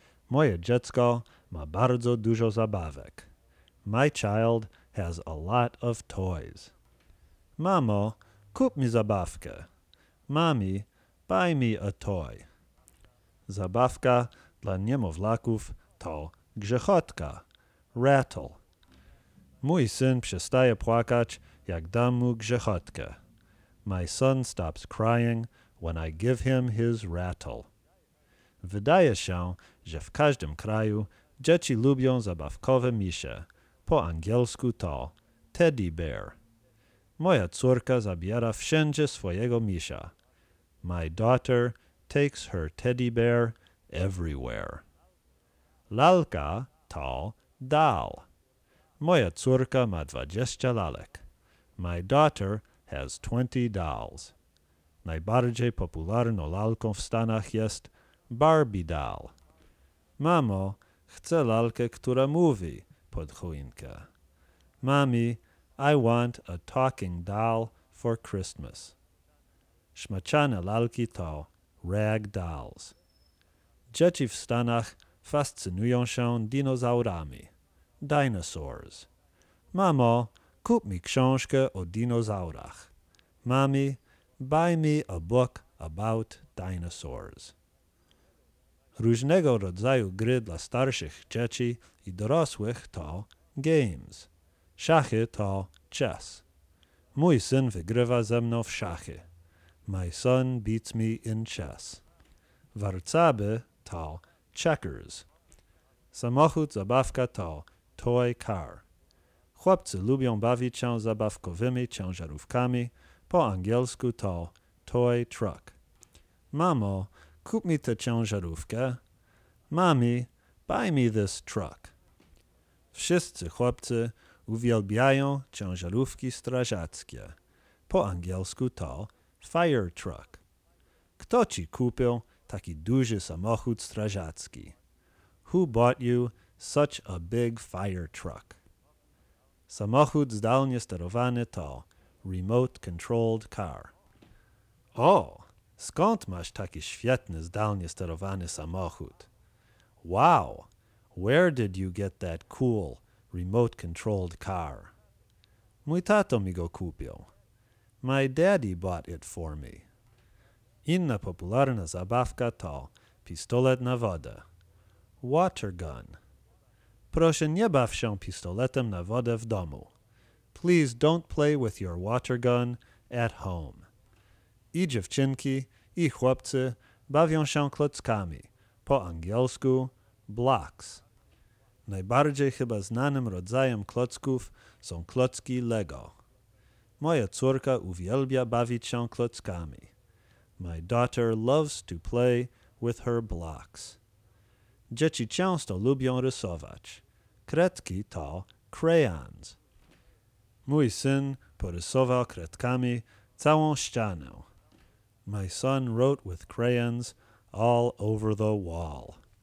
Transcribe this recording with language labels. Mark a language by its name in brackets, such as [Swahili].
[Polish] Moje dziecko ma bardzo dużo zabawek. [English] My child has a lot of toys. Mamo, kup mi zabawkę. Mami, buy me a toy. [Polish] Zabawka dla niemowlaków to grzechotka, rattle. Mój syn przestaje płakać, jak dam mu grzechotkę. [English] My son stops crying when I give him his rattle. [Polish] Wydaje się, że w każdym kraju dzieci lubią zabawkowe misie. Po angielsku to teddy bear. Moja córka zabiera wszędzie swojego misia. [English] My daughter takes her teddy bear everywhere. [Polish] Lalka to doll. Moja córka ma 20 lalek. [English] My daughter has 20 dolls. [Polish] Najbardziej popularną lalką w Stanach jest Barbie doll. Mamo, chcę lalkę, która mówi, pod choinkę. [English] Mami, I want a talking doll for Christmas. [Polish] Szmaczane lalki to rag dolls. Dzieci w Stanach fascynują się dinozaurami. Dinosaurs. Mamo, kup mi książkę o dinozaurach. [English] Mami, buy me a book about dinosaurs. [Polish] Różnego rodzaju gry dla starszych dzieci i dorosłych to games. Szachy to chess. Mój syn wygrywa ze mną w szachy. [English] My son beats me in chess. Warcaby to checkers. [Polish] Samochód zabawka to toy car. Chłopcy lubią bawić się zabawkowymi ciężarówkami. Po angielsku to toy truck. Mamo, kup mi tę ciężarówkę. Mami, buy me this truck. Wszyscy chłopcy uwielbiają ciężarówki strażackie. Po angielsku to fire truck. Kto ci kupił taki duży samochód strażacki? [English] Who bought you such a big fire truck? [Polish] Samochód zdalnie sterowany to remote controlled car. O, skąd masz taki świetny zdalnie sterowany samochód? [English] Wow, where did you get that cool remote controlled car? Mój tato mi go kupił. My daddy bought it for me. [Polish] Inna popularna zabawka to pistolet na wodę. Water gun. Proszę nie baw się pistoletem na wodę w domu. [English] Please don't play with your water gun at home. [Polish] I dziewczynki, i chłopcy bawią się klockami. Po angielsku blocks. Najbardziej chyba znanym rodzajem klocków są klocki Lego. Moja córka uwielbia bawić się klockami. [English] My daughter loves to play with her blocks. [Polish] Dzieci często lubią rysować. Kredki to crayons. Mój syn porysował kredkami całą ścianę. [English] My son wrote with crayons all over the wall.